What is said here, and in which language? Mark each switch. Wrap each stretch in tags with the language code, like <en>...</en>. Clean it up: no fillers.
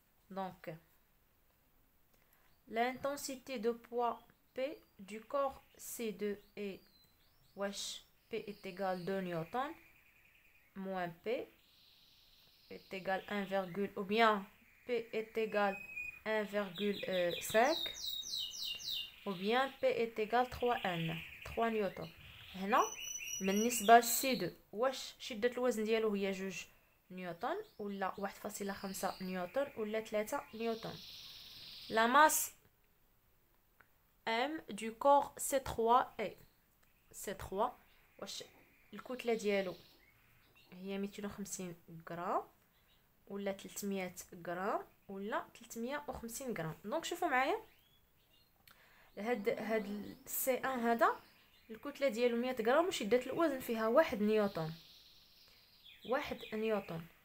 <fr>donc l'intensité de poids du corps C2 et wesh P est égal 2 newton moins P est égal 1, ou bien P est égal 1,5 ou bien P est égal 3N 3 newton.</fr> <ar>هنا بالنسبة C2 واش شدة الوزن ديالو هي 2 نيوتن ولا 1.5 نيوتن ولا 3 نيوتن.</ar> <fr>لا ماس M du corps C3 est</fr> <ar>سي 3 واش الكتلة ديالو هي 250 غرام ولا 300 غرام ولا 350 غرام؟ دونك شوفوا معايا هاد السي ان هذا الكتلة ديالو 100 غرام وشدة الوزن فيها 1 نيوتن، 1 نيوتن.</ar>